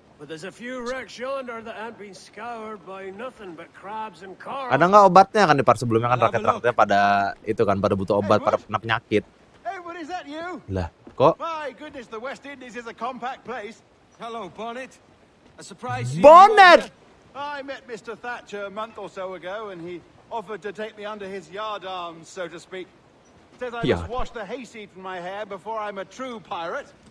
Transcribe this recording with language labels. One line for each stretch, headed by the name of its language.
English: But there's a few wrecks yonder that ain't been scoured by nothing but crabs and corals.
Indonesian: Ada nggak obatnya kan di part sebelumnya kan rakyat-rakyatnya pada itu kan pada butuh obat, pada kena penyakit.
English: Hey, what is that, you?
Indonesian: Lah, kok?
English: My goodness, the West Indies is a compact place. Hello, Bonnet. A surprise. Bonnet. I met Mr. Thatcher a month or so ago, and he offered to take me under his yard arms, so to speak. Says I must wash the hayseed from my hair before I'm a true pirate.